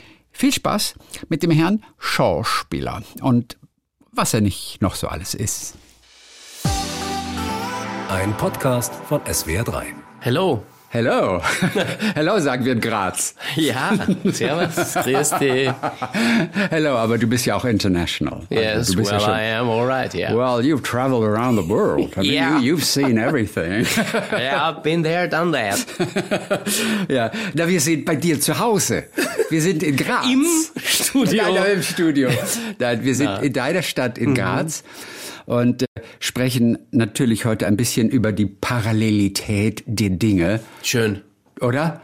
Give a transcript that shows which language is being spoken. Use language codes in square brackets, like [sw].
[de] Viel Spaß mit dem Herrn Schauspieler und was er nicht noch so alles ist. Ein Podcast von SWR3. [en] Hello. Hello. Hello, [de] sagen wir in Graz. Ja, servus, grüß dich. Hello, aber du bist ja auch international. [en] Yes, [de] du bist [en] well, [de] ja schon, [en] I am, all right, yeah. Well, you've traveled around the world. I mean, you've seen everything. Yeah, I've been there, done that. [de] Ja, na, wir sind bei dir zu Hause. Wir sind in Graz. Im Studio. Nein, im Studio. Nein, wir sind in deiner Stadt in Graz. Und sprechen natürlich heute ein bisschen über die Parallelität der Dinge. Schön. Oder?